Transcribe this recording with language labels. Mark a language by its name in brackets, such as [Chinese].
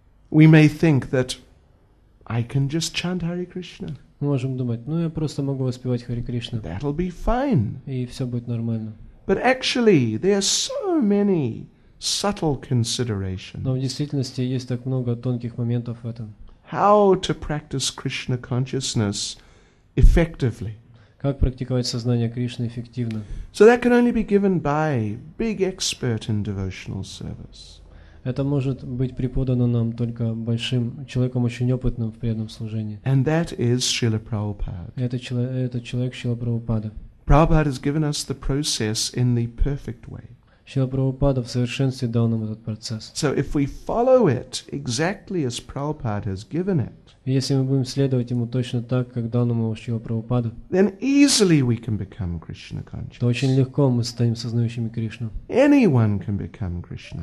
[English] We may think that I can just chant Hare Krishna. [Russian] Мы можем думать, ну я просто могу воспевать Хари Кришну. [English] That'll be fine. [Russian] И все будет нормально. [English] But actually, there are so many subtle considerations. [Russian] Но в действительности есть так много тонких моментов в этом. [English] How to practice Krishna consciousness effectively? [Russian] Как практиковать сознание Кришны эффективно? [English] So that can only be given by big expert in devotional service. [Russian] Это может быть преподано нам только большим человеком, очень опытным в преданном служении. [English] And that is Srila Prabhupada. [Russian] Это человек Шрила Прабхупада. [English] Prabhupada has given us the process in the perfect way. [Russian] Шрила Прабхупада в совершенстве дал нам этот процесс. [English] So if we follow it exactly as Prabhupada has given it, [Russian] если мы будем следовать ему точно так, как дал нам его Шрила Прабхупада, [English] then easily we can become Krishna conscious. [Russian] То очень легко мы станем сознающими Кришну. [English] Anyone can become Krishna conscious.